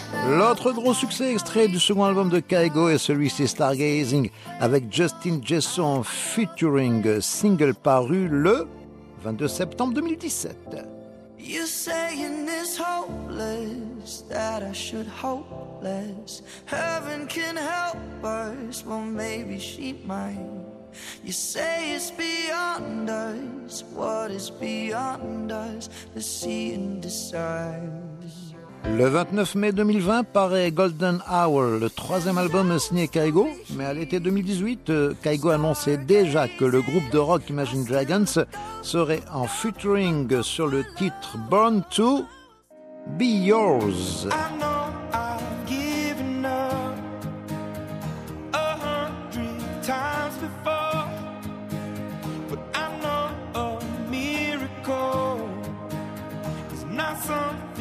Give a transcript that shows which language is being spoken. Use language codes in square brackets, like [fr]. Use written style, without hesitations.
[fr] L'autre gros succès extrait du second album de Kygo est celui-ci, Stargazing, avec Justin Jesson featuring single paru le 22 septembre 2017. [en] You're saying it's hopeless, that I should hope less. Heaven can help us, well maybe she might. You say it's beyond us, what is beyond us, the sea and the stars. [fr] Le 29 mai 2020 paraît Golden Hour, le troisième album signé Kygo. Mais à l'été 2018, Kygo annonçait déjà que le groupe de rock Imagine Dragons serait en featuring sur le titre Born to Be Yours. [en] I know I've given up 100 times before, but I know a miracle is not something.